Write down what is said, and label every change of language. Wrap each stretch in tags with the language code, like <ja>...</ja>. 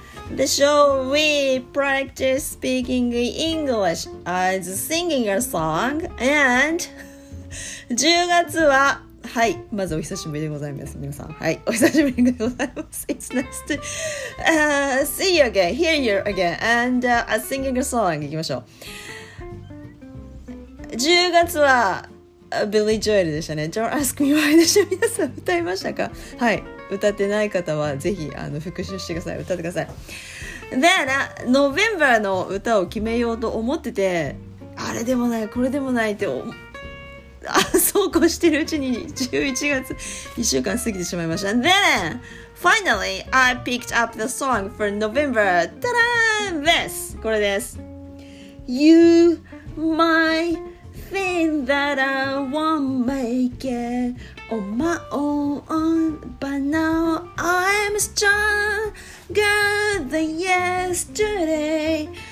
<en>The show we practice speaking English as singing a song.</en> <ja>And 10月は、はい、まずお久しぶりでございます、皆さん。はい、お久しぶりでございます。</ja> <en>It's nice to see you again, hear you again, and a singing a song.</en> <ja>いきましょう。 10月はビリー・ジョエルでしたね。 Don't ask me why でした。皆さん歌いましたか？はい、歌ってない方はぜひ復習してください。歌ってください。で、November の歌を決めようと思ってて、あれでもない、これでもないって、そうこうしてるうちに11月1週間過ぎてしまいました。</ja> <en>Then finally I picked up the song for November. Ta-da! This!</en> <ja>これです。</ja> <en>You, myThing that I won't make it on my own, but now I'm stronger than yesterday.</en>